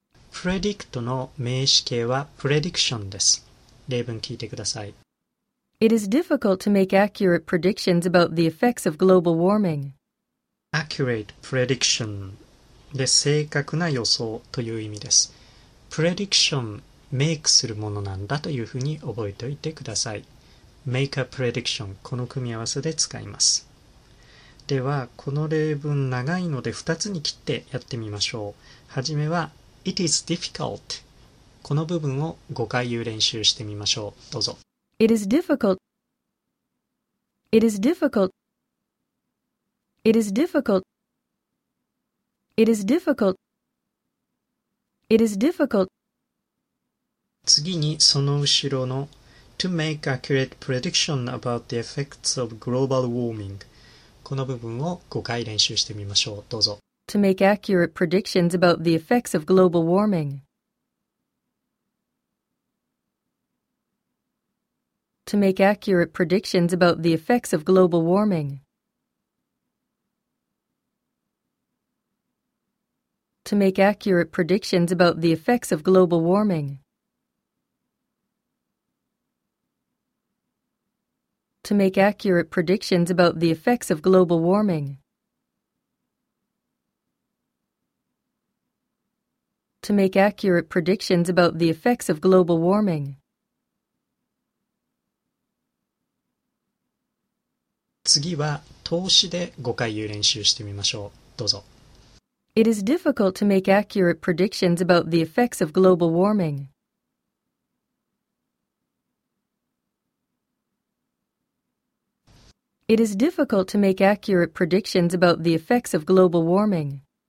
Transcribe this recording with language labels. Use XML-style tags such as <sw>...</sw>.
<ja>Predict の名詞形は prediction です。例文聞いてください。</ja> <en>It is difficult to make accurate predictions about the effects of global warming.</en> <ja>Accurate prediction で正確な予想という意味です。 Prediction、メイクするものなんだというふうに覚えておいてください。 Make a prediction、この組み合わせで使います。では、この例文長いので2つに切ってやってみましょう。はじめは、</ja> <en>It is difficult。</en> <ja>この部分を5回言う練習してみましょう。どうぞ。</ja> <en>It is difficult. It is difficult. It is difficult. It is difficult. It is difficult.</en> <ja>次にその後ろの</ja> <en>To make accurate prediction about the effects of global warming.</en> <ja>この部分を5回練習してみましょう。どうぞ。</ja> <en>To make accurate predictions about the effects of global warming. To make accurate predictions about the effects of global warming. To make accurate predictions about the effects of global warming. To make accurate predictions about the effects of global warming. To make accurate predictions about the effects of global warming.</en> <ja>次は投資で5回言う練習してみましょう。どうぞ。</ja> <en>It is difficult to make accurate predictions about the effects of global warming. It is difficult to make accurate predictions about the effects of global warming.</en>